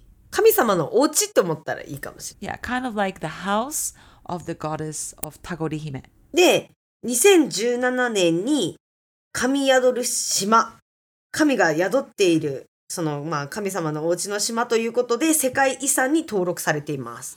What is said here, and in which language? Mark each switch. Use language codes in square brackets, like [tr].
[ja] 神様のお家って思ったらいいかもしれない。 [en] Yeah, kind of like the house of the goddess of Tagori-hime. [ja] で、 2017年に神宿る島、神が宿っているその、まあ、神様のお家の島ということで世界遺産に登録されています。